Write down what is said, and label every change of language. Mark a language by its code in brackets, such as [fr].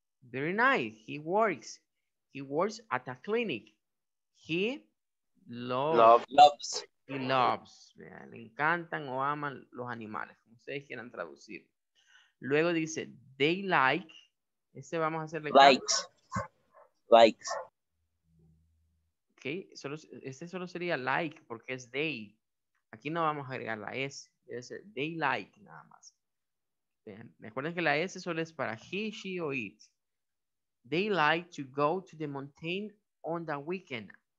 [en] very nice, he works at a clinic, he loves. He loves, [es] ¿verdad? Le encantan o aman los animales, como ustedes quieran traducir. Luego dice, [en] they like, [es] este vamos a hacerle. [en] Likes. Caso. Likes. Ok, [es] este solo sería like, porque es they. Aquí no vamos a agregar la S, debe ser [en] they like, [es] nada más. Recuerden que la S solo es para he, she o it. [en] They like to go to the mountain on the weekend.